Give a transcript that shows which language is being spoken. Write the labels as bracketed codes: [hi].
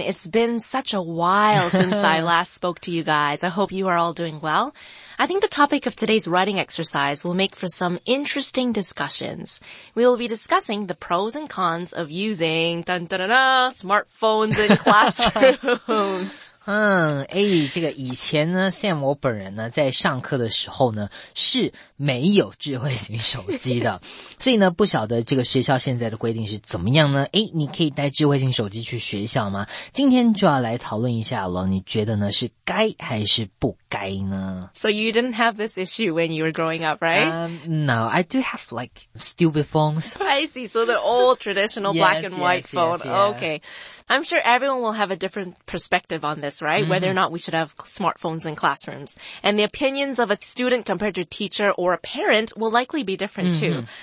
[en] It's been such a while since I last spoke to you guys. I hope you are all doing well. I think the topic of today's writing exercise will make for some interesting discussions. We will be discussing the pros and cons of using smartphones in classrooms. [zh] 这个以前呢 Sam 我本人呢在上课的时候呢是没有智慧型手机的，所以呢不晓得这个学校现在的规定是怎么样呢？哎，你可以带智慧型手机去学校吗？今天就要来讨论一下了，你觉得呢是该还是不该呢？ [en] So you didn't have this issue when you were growing up, right? No, I do have like stupid phones. I see, so the old traditional black and white phone. Okay. I'm sure everyone will have a different perspective on this, right? Mm-hmm. Whether or not we should have smartphones in classrooms. And the opinions of a student compared to a teacher or a parent will likely be different too.